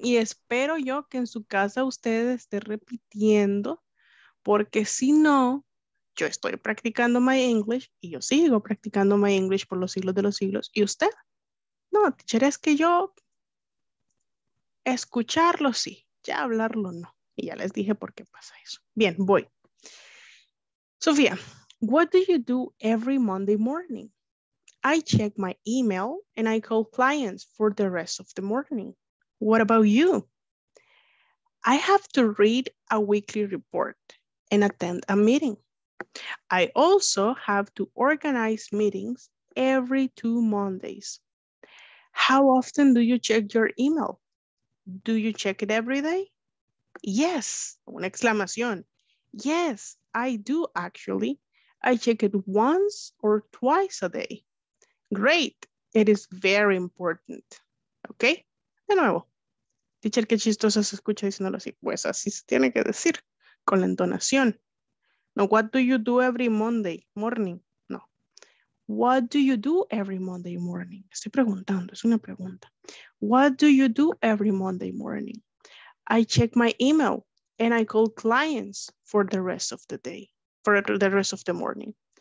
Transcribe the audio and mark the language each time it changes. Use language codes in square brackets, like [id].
[es] Y espero yo que en su casa usted esté repitiendo, porque si no, yo estoy practicando [en] my English [es] y yo sigo practicando my English por los siglos de los siglos. ¿Y usted? No, teacher, es que yo escucharlo sí, ya hablarlo no. Y ya les dije por qué pasa eso. Bien, voy. [en] Sofía, what do you do every Monday morning? I check my email and I call clients for the rest of the morning. What about you? I have to read a weekly report and attend a meeting. I also have to organize meetings every two Mondays. How often do you check your email? Do you check it every day? Yes, [es] una exclamación. [en] Yes, I do actually. I check it once or twice a day. Great. It is very important. ¿Ok? [es] De nuevo. Teacher, qué chistoso se escucha diciéndolo así. Pues así se tiene que decir, con la entonación. [en] No, what do you do every Monday morning? No. What do you do every Monday morning? [es] Estoy preguntando, es una pregunta. [en] What do you do every Monday morning? I check my email and I call clients for the rest of the day, for the rest of the morning.